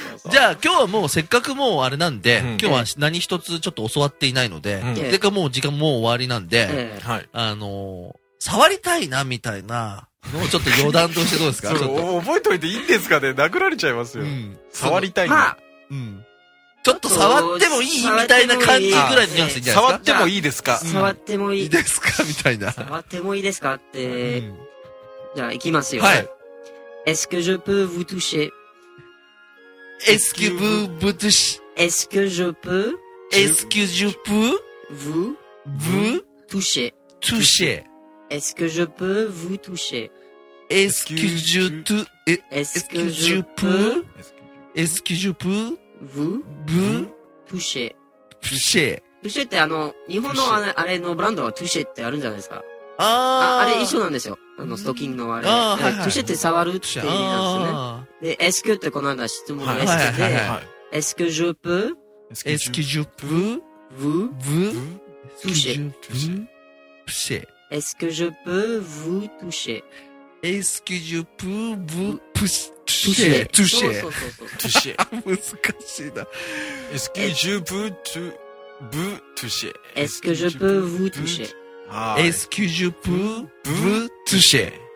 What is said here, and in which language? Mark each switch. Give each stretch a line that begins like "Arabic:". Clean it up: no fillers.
Japanese: じゃあ、今日はもう、せっかくもう、あれなんで、うん、今日は何一つちょっと教わっていないので、うん、でかもう、時間もう終わりなんで、触りたいな、みたいな、もうちょっと余談としてどうですか。ちょっと覚えといていいんですかね、殴られちゃいますよ。うん、触りたいな。ちょっと触ってもいいみたいな感じぐらいのニュアンスじゃないですか。触ってもいいですか。触ってもいいですかみたいな。触ってもいいですかって、じゃあ行きますよ。はい。
French: Est-ce que je peux vous toucher? Est-ce que vous vous touchez? Est-ce que je peux? Est-ce que je peux? Vous vous toucher? Toucher. Est-ce que je peux vous toucher? Est-ce que je te? Est-ce que je peux? Est-ce que je peux? Vous touchez
Japanese: ってあの日本のあれのブランドはトゥシェってあるんじゃないですか。あれ一緒なんですよ、あのストッキングのあれ。あ、はいはい、トゥシェって触るって意味なんですよね。で、エスキューってこの間質問のエスキューで、エスキュージュープ
French: エスキュージュープ Vous touchez トゥシェ。エスキュージュープ Vous touchez Est-ce que je peux vous toucher? Toucher.
Japanese: Toucher. 難しいな。
French: Est-ce que je peux vous toucher? Est-ce que je peux vous toucher? Est-ce que je peux vous toucher?